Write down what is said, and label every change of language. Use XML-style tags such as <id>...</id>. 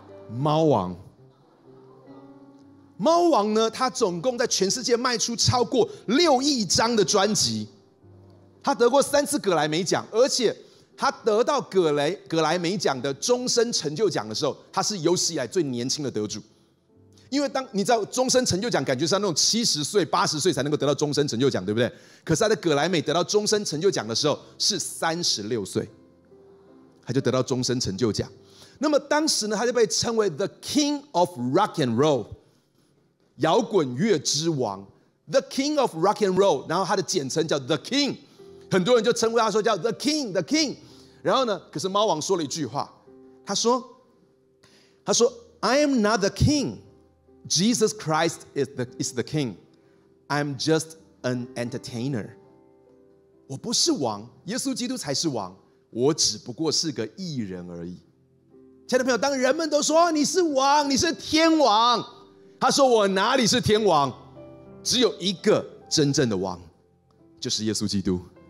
<zh>猫王，猫王呢，他总共在全世界卖出超过6亿张的专辑，他得过3次葛莱美奖，而且他得到葛莱美奖的终身成就奖的时候，他是有史以来最年轻的得主。因为当你知道终身成就奖感觉是那种70岁、80岁才能够得到终身成就奖，对不对？可是他在葛莱美得到终身成就奖的时候是36岁，他就得到终身成就奖。那么当时呢，他就被称为</zh> <en>The King of Rock and Roll，</en> <zh>摇滚乐之王 ，The King of Rock and Roll， 然后他的简称叫 The King， 很多人就称呼他说叫 The King。然后呢，可是猫王说了一句话，他说 ：</zh> <en>“I am not the king。” Jesus Christ is the king. I'm just an entertainer.</en> <zh>我不是王，耶稣基督才是王，我只不过是个艺人而已。亲爱的朋友，当人们都说你是王，你是天王，他说我哪里是天王，只有一个真正的王，就是耶稣基督。</zh>